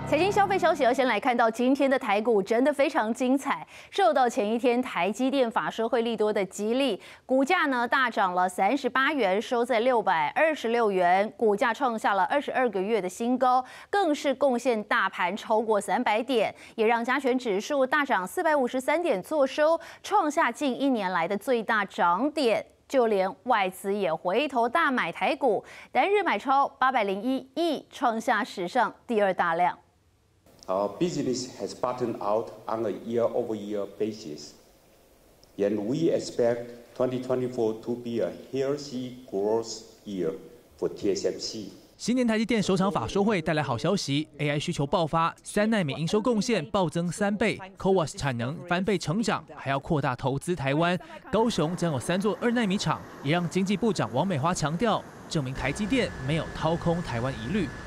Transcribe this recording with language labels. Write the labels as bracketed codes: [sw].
[zh] 消费消息要先来看到，今天的台股真的非常精彩，受到前一天台积电法说会利多的激励，股价呢大涨了38元，收在626元，股价创下了22个月的新高，更是贡献大盘超过300点，也让加权指数大涨453点作收，创下近一年来的最大涨点。就连外资也回头大买台股，单日买超801亿，创下史上第二大量。 [en] Our business has bottomed out on a year-over-year basis, and we expect 2024 to be a healthy growth year for TSMC. [zh] 新年台积电首场法说会带来好消息 ，AI 需求爆发，3奈米营收贡献暴增3倍 ，CoWoS 产能翻倍成长，还要扩大投资台湾，高雄将有3座2奈米厂，也让经济部长王美花强调，证明台积电没有掏空台湾疑虑。